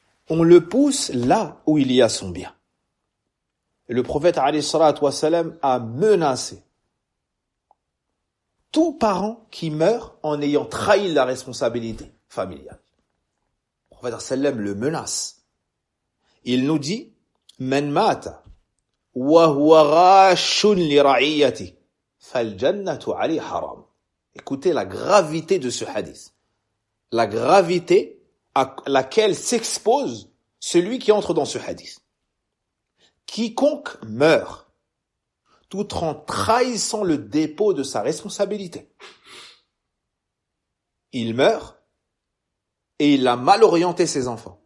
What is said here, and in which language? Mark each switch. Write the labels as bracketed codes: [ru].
[fr] On le pousse là où il y a son bien. Et le prophète, alayhi salatu wa salam, a menacé tout parent qui meurt en ayant trahi la responsabilité familiale. Le prophète, alayhi salam, le menace. Il nous dit, [ar] « Man mata » وَهُوَ غَاشٌ لِرَعِيَّتِ فَالْجَنَّةُ عَلِي حَرَامٌ. [fr] Écoutez la gravité de ce hadith. La gravité à laquelle s'expose celui qui entre dans ce hadith. Quiconque meurt tout en trahissant le dépôt de sa responsabilité, il meurt et il a mal orienté ses enfants.